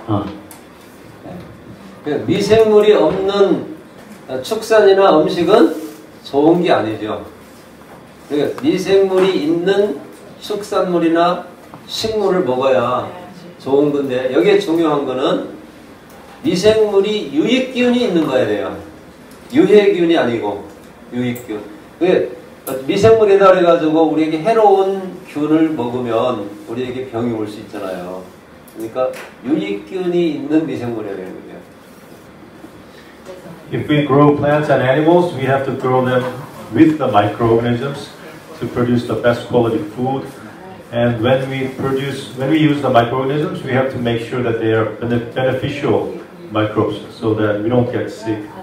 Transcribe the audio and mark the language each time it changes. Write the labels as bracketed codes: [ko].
[zh] 同时，在操作的时候，你为什么失败？你自己能够分辨出来为什么失败，然后当大家在交流的时候，把自己失败也提出来，然后啊，透过这样交流学习，你可以避免掉啊再发生失败。这个比光是学习怎么操作那是更重要的啊。微生物里 [ko] 없는 축산이나 음식은 좋은 게 아니죠. 그러니까 미생물이 있는 축산물이나 식물을 먹어야 좋은 건데 여기에 중요한 거는 미생물이 유익균이 있는 거야 돼요. 유해균이 아니고 유익균. 그러니까 미생물이다 그래가지고 우리에게 해로운 균을 먹으면 우리에게 병이 올 수 있잖아요. 그러니까 유익균이 있는 미생물이어야 되는 거예요. [en] If we grow plants and animals, we have to grow them with the microorganisms to produce the best quality food. And when we produce, when we use the microorganisms, we have to make sure that they are beneficial microbes so that we don't get sick.